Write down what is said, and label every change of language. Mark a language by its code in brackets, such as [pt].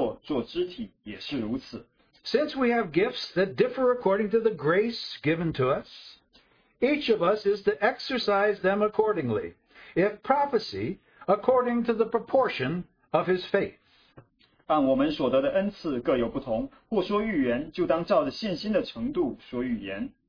[zh] 正如我们一个身子上有好些肢体,肢体也不都是一样的用处。我们这许多人在基督里成为一身,互相联络,做肢体也是如此。 [en] Since we have gifts that differ according to the grace given to us, each of us is to exercise them accordingly, if prophecy, according to the proportion of his faith. [zh] 按我们所得的恩赐各有不同,或说预言,就当照着信心的程度说预言。